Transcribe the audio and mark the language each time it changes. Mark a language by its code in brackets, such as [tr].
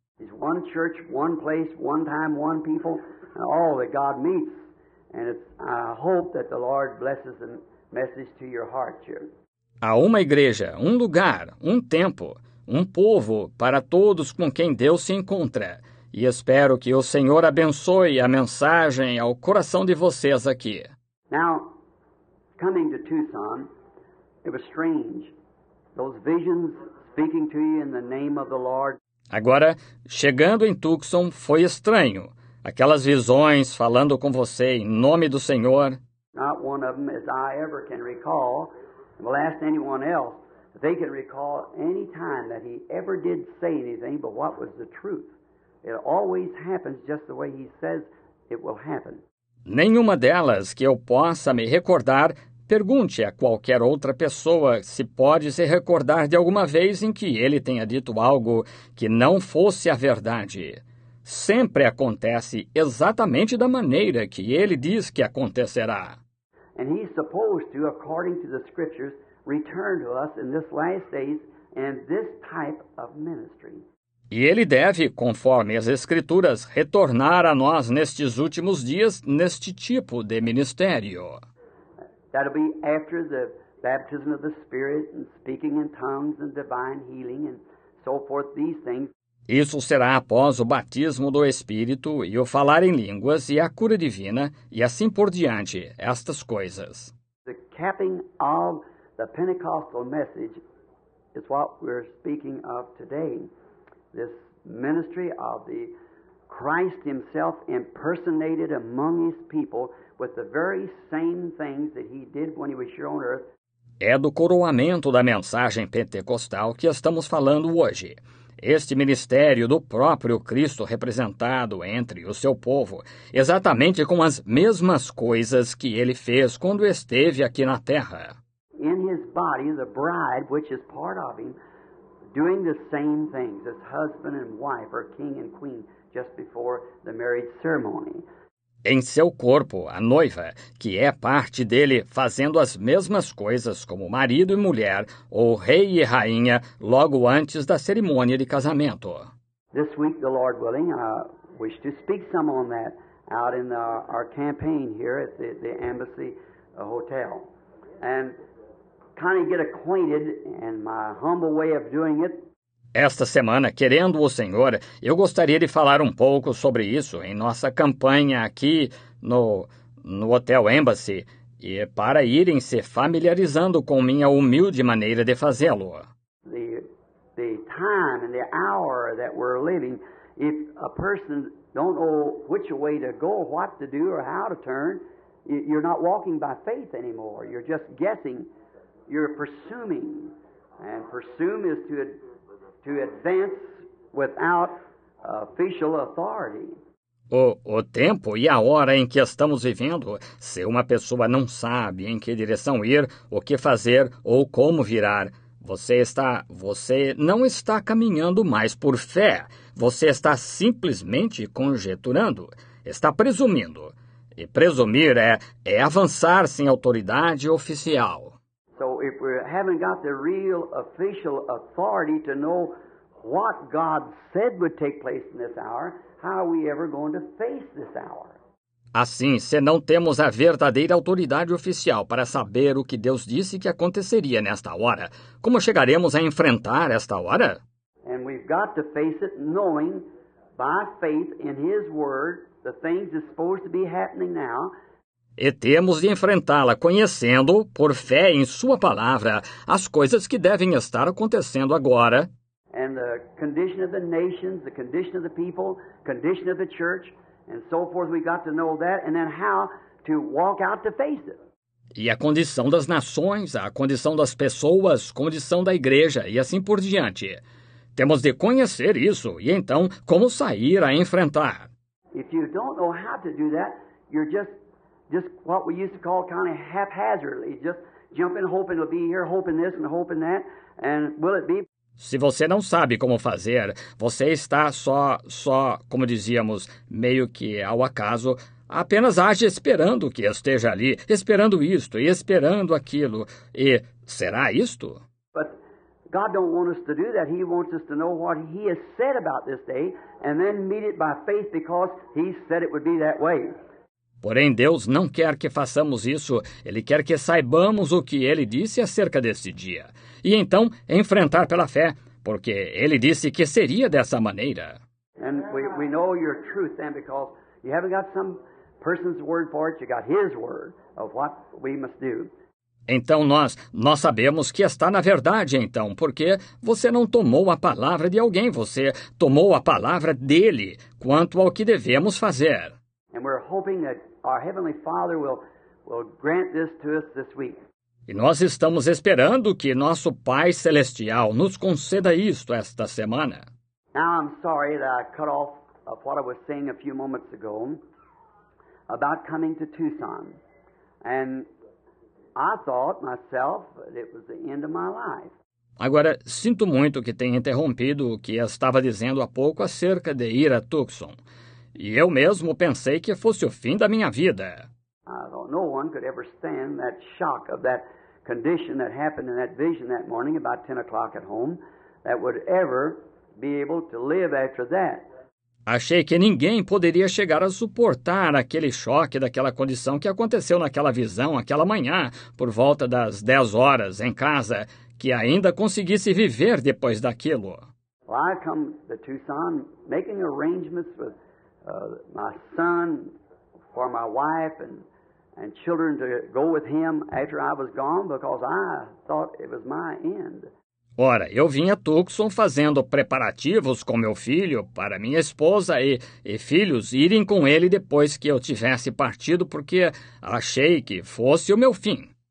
[pt] É uma igreja, um lugar, um tempo, um povo, e tudo que Deus encontra. E eu espero que o Senhor abençoe a mensagem para o seu coração. Há uma igreja, um lugar, um tempo, um povo para todos com quem Deus se encontra. E espero que o Senhor abençoe a mensagem ao coração de vocês aqui. [en] Now, coming to Tucson, it was strange. Those visions speaking to you in the name of the Lord. [pt] Agora, chegando em Tucson, foi estranho. Aquelas visões falando com você em nome do Senhor. [en] Not one of them, as I ever can recall, will ask anyone else. They can recall any time that he ever did say anything, but what was the truth? It always happens just the way he says it will happen. [pt] Nenhuma delas que eu possa me recordar, pergunte a qualquer outra pessoa se pode se recordar de alguma vez em que ele tenha dito algo que não fosse a verdade. Sempre acontece exatamente da maneira que ele diz que acontecerá. [en] And he's supposed to, according to the scriptures, return to us in this last days in this type of ministry. [pt] E ele deve, conforme as Escrituras, retornar a nós nestes últimos dias neste tipo de ministério. [en] That'll be after the baptism of the Spirit and speaking in tongues and divine healing and so forth, these things. [pt] Isso será após o batismo do Espírito e o falar em línguas e a cura divina e assim por diante, estas coisas. [en] The capping of the Pentecostal message is what we're speaking of today. This ministry of the Christ himself impersonated among his people with the very same things that he did when he was here on earth. [pt] É do coroamento da mensagem pentecostal que estamos falando hoje. Este ministério do próprio Cristo representado entre o seu povo, exatamente com as mesmas coisas que ele fez quando esteve aqui na terra. [en] In his body, the bride, which is part of him, doing the same things as husband and wife or king and queen just before the marriage ceremony. [pt] Em seu corpo, a noiva, que é parte dele, fazendo as mesmas coisas como marido e mulher, ou rei e rainha, logo antes da cerimônia de casamento. [en] This week, the Lord willing, I wish to speak some on that out in our campaign here at the Embassy Hotel. And kind of get acquainted in my humble way of doing it. [pt] Esta semana, querendo o Senhor, eu gostaria de falar um pouco sobre isso em nossa campanha aqui no Hotel Embassy e para irem se familiarizando com minha humilde maneira de fazê-lo. [en] The time and the hour that we're living, if a person don't know which way to go, what to do or how to turn, you're not walking by faith anymore. You're just guessing. You're presuming. And presume is to advance without official authority. [pt] O tempo e a hora em que estamos vivendo, se uma pessoa não sabe em que direção ir, o que fazer ou como virar, você não está caminhando mais por fé. Você está simplesmente conjeturando, está presumindo. E presumir é avançar sem autoridade oficial. [en] So if we haven't got the real official authority to know what God said would take place in this hour, how are we ever going to face this hour? [pt] Assim, se não temos a verdadeira autoridade oficial para saber o que Deus disse que aconteceria nesta hora, como chegaremos a enfrentar esta hora? [en] And we've got to face it knowing by faith in his word the things that's supposed to be happening now. [pt] E temos de enfrentá-la conhecendo, por fé em sua palavra, as coisas que devem estar acontecendo agora. [en] And the condition of the nations, the condition of the people, condition of the church, and so forth, we got to know that, and then how to walk out to face it. [pt] E a condição das nações, a condição das pessoas, condição da igreja, e assim por diante. Temos de conhecer isso, e então, como sair a enfrentar. [en] If you don't know how to do that, you're just what we used to call kind of haphazardly, just jumping, hoping it'll be here, hoping this and hoping that, and will it be? [pt] Se você não sabe como fazer, você está só, como dizíamos, meio que ao acaso, apenas age esperando que esteja ali, esperando isto e esperando aquilo, e será isto? [en] But God don't want us to do that. He wants us to know what he has said about this day, and then meet it by faith because he said it would be that way. [pt] Porém, Deus não quer que façamos isso. Ele quer que saibamos o que ele disse acerca deste dia. E então, enfrentar pela fé, porque ele disse que seria dessa maneira. [en] And we know your truth then because you haven't got some person's word for it, you got his word of what we must do. [pt] Então nós sabemos que está na verdade, então, porque você não tomou a palavra de alguém, você tomou a palavra dele quanto ao que devemos fazer. [en] And we're hoping that our Heavenly Father will grant this to us this week. [pt] E nós estamos esperando que nosso Pai Celestial nos conceda isto esta semana. [en] Now I'm sorry that I cut off of what I was saying a few moments ago about coming to Tucson. And I thought myself that it was the end of my life. [pt] Agora, sinto muito que tenha interrompido o que estava dizendo há pouco acerca de ir a Tucson. E eu mesmo pensei que fosse o fim da minha vida. [en] I thought no one could ever stand that shock of that condition that happened in that vision that morning about 10 o'clock at home that would ever be able to live after that. [pt] Achei que ninguém poderia chegar a suportar aquele choque daquela condição que aconteceu naquela visão, aquela manhã, por volta das 10 horas, em casa, que ainda conseguisse viver depois daquilo. [en] Well, I come to Tucson making arrangements with my son for my wife and children to go with him after I was gone because I thought it was my end. [pt] Ora, eu vim a Tucson fazendo preparativos com meu filho para minha esposa e filhos irem com ele depois que eu tivesse partido, porque achei que fosse o meu fim.